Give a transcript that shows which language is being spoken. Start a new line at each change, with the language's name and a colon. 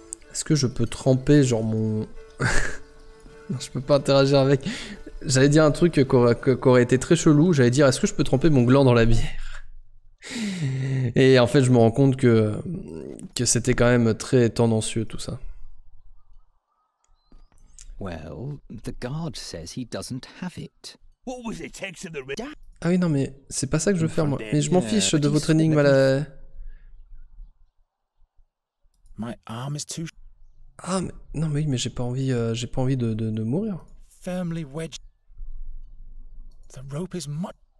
French: Est-ce que je peux tremper genre mon... Non, je peux pas interagir avec... J'allais dire un truc qui aurait été très chelou. J'allais dire, est-ce que je peux tremper mon gland dans la bière? Et en fait, je me rends compte que c'était quand même très tendancieux tout ça.
English: Well, the guard says he doesn't have it. What was it takes of the...
French: Ah oui, non, mais c'est pas ça que je veux faire, moi. Mais je m'en fiche de votre énigme à la...
English: My arm is too...
French: Ah, mais... Non, mais oui, mais j'ai pas envie de mourir.
English: Firmly wedged. The rope is much...